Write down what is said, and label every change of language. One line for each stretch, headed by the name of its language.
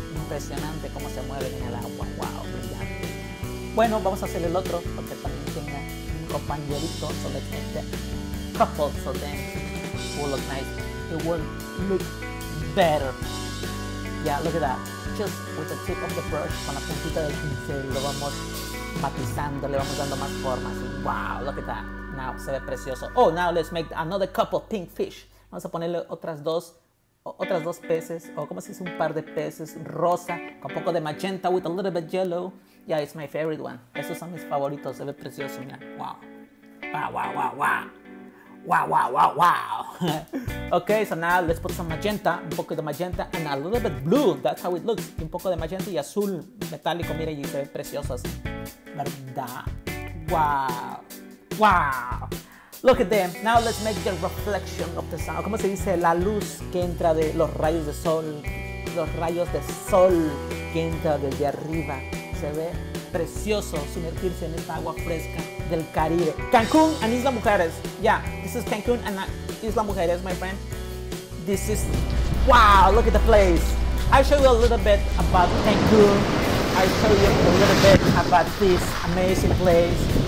Spanish: Impresionante cómo se mueve en el agua. Wow, brillante. Bueno, vamos a hacer el otro, porque también tenga un compañerito.
English: So let's make the couple, so then it will look nice. It will look better. Yeah, look at that. Just with the tip of the brush,
Spanish: con la puntita del pincel, lo vamos matizando, le vamos dando más formas.
English: Wow, look at that. Now,
Spanish: se ve precioso.
English: Oh, now let's make another couple pink fish.
Spanish: Vamos a ponerle otras dos peces, o como si es un par de peces, rosa, con un poco de magenta,
English: with a little bit yellow. Yeah, it's my favorite one.
Spanish: Esos son mis favoritos, se ve precioso, mira. Wow.
English: Wow. Okay, so now let's put some magenta,
Spanish: un poco de magenta,
English: and a little bit blue. That's how it looks.
Spanish: Un poco de magenta y azul metálico, mira, y se ve precioso así. ¿Verdad?
English: Wow. Look at them. Now let's make the reflection of the sun.
Spanish: ¿Cómo se dice? La luz que entra de los rayos de sol. Los rayos de sol que entra desde arriba. Se ve precioso sumergirse en esta agua fresca del Caribe.
English: Cancún and Isla Mujeres. Yeah, this is Cancún and Isla Mujeres, my friend. This is... Wow, look at the place. I'll show you a little bit about Cancún. I'll show you a little bit about this amazing place.